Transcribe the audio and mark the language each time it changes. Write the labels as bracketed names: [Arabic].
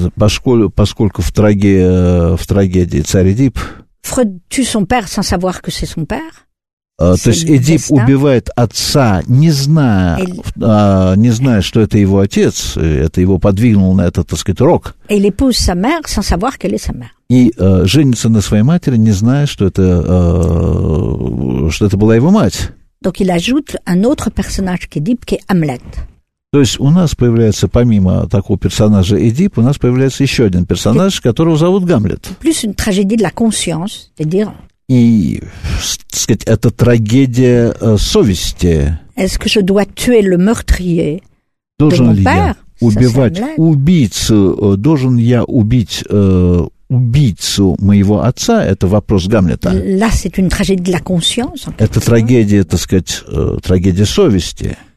[Russian] поскольку в трагедии царь Эдип, [French] Фрейд tue son père sans savoir que c'est son père. [Russian] То есть Эдип убивает отца, не зная, что это его отец, это его подвигнул на этот, так сказать, рок. [French] Et il épouse sa mère sans savoir qu'elle est sa mère. [Russian] И женится на своей матери, не зная, что это была его мать. [French] Donc il ajoute un autre personnage qu'Édipe, qui est Hamlet. [Russian] То есть у нас появляется, помимо такого персонажа Эдип, у нас появляется еще один персонаж, которого зовут Гамлет. [French] Plus une tragédie de la conscience, c'est-à-dire. [Russian] И, так сказать, это трагедия совести. [French] Est-ce que je dois tuer le meurtrier? [Russian] Должен ли я убивать убийцу? Должен я убить убийцу моего отца? Это вопрос Гамлета. [French] Là, c'est une tragédie de la conscience, en quelque sorte. [Russian] Это трагедия, так сказать, трагедия совести.